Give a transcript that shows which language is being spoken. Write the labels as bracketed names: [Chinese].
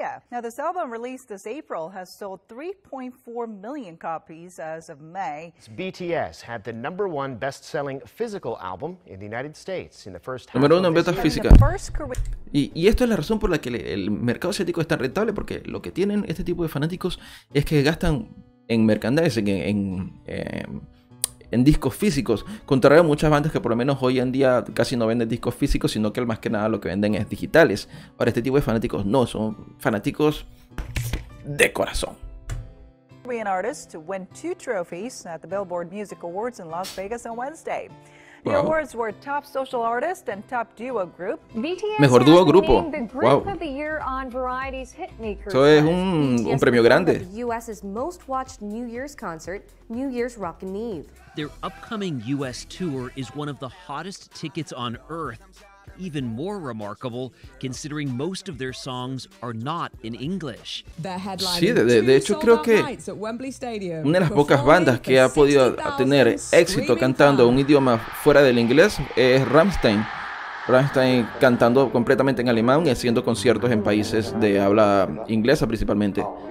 [English] Now, this album released this April has sold 3.4 million copies as of May. BTS had the number one best-selling physical album in the United States in the first half. [Spanish] Número uno en ventas físicas. Y esto es la razón por la que el mercado asiático es tan rentable, porque lo que tienen este tipo de fanáticos es que gastan en merchandising, en discos físicos, contrario a muchas bandas que por lo menos hoy en día casi no venden discos físicos, sino que más que nada lo que venden es digitales. Para este tipo de fanáticos no, son fanáticos de corazón. [English] Be an artist to win two trophies at the Billboard Music Awards in Las Vegas on Wednesday. The wow. awards were top social artist and top duo group. [Spanish] BTS mejor dúo grupo. Wow. Eso es un premio grande. [English] US's most watched New Year's concert, New Year's Rockin' Eve. Their upcoming US tour is one of the hottest tickets on earth. Even more remarkable, considering most of their songs are not in English. [Spanish] Sí, de hecho creo que una de las pocas bandas que ha podido tener éxito cantando un idioma fuera del inglés es Rammstein. Rammstein cantando completamente en alemán y haciendo conciertos en países de habla inglesa principalmente.